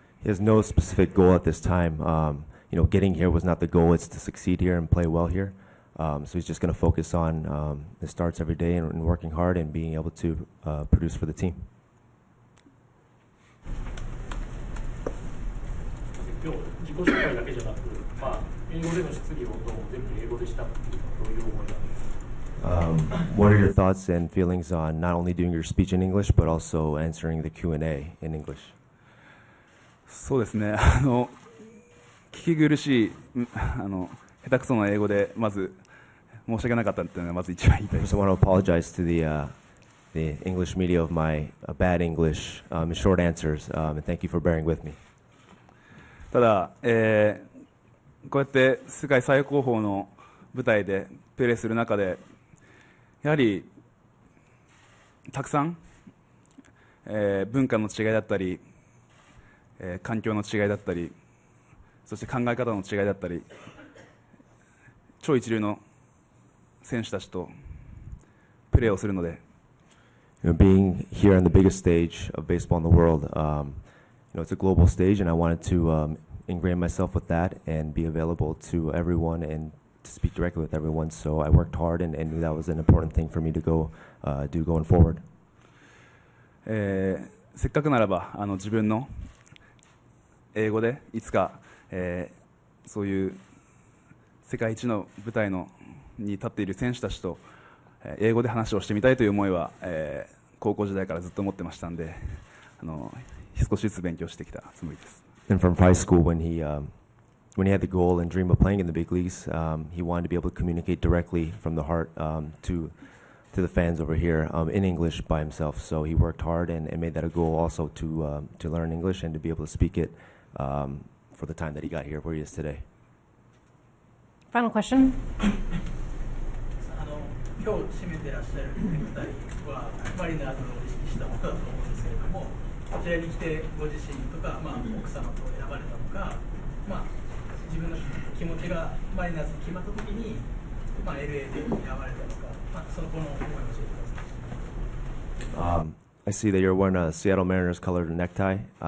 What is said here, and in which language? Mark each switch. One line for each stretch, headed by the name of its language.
English: He has no specific goal at this time. You know, getting here was not the goal. It's to succeed here and play well here. So he's just going to focus on the starts every day and working hard and being able to produce for the team.
Japanese: 今日自己紹介だけじゃなく、まあ、英語での質疑応答も全部英語でしたというのはどういう思いなんですか？
English: What are your thoughts and feelings on not only doing your speech in English, but also answering the Q&A in English?
Japanese: そうですね。聞き苦しい、下手くそな英語でまず申し訳なかったっていうのがまず一番言いたい。
English: So I want to apologize to the English media of my bad English, short answers, and thank you for bearing with me.
Japanese: ただ、こうやって世界最高峰の舞台でプレーする中でやはりたくさん、文化の違いだったり、環境の違いだったりそして考え方の違いだったり超一流の選手たちとプレーをするので
English: Being here on the biggest stage of baseball in the world、you know, it's a global stage and I wanted to、ingrain myself with that and be available to everyone and to speak directly with everyone so I worked hard and that was an important thing for me to go、do going forward、
Japanese: せっかくならば自分の英語でいつか、そういう世界一の舞台のに立っている選手たちと英語で話をしてみたいという思いは、高校時代からずっと持ってましたんで少しずつ勉強してきたつもりです。
English: And from high school when he had the goal and dream of playing in the big leagues, he wanted to be able to communicate directly from the heart to the fans over here in English by himself. So he worked hard and made that a goal also to learn English and to be able to speak it for the time that he got here where he is today. Final question.
Japanese: 今日締めてらっしゃるネクタイはマリナーズを意識したものだと思うんですけれども、こちらに来てご自身とか、まあ、奥様と選ばれたのか、まあ、自分の気持ちがマリナーズに決まった時に、まあ、LA で選ばれたのか、まあ、その子の思いを教えてください。
English: I see that you're wearing a Seattle Mariners colored necktie.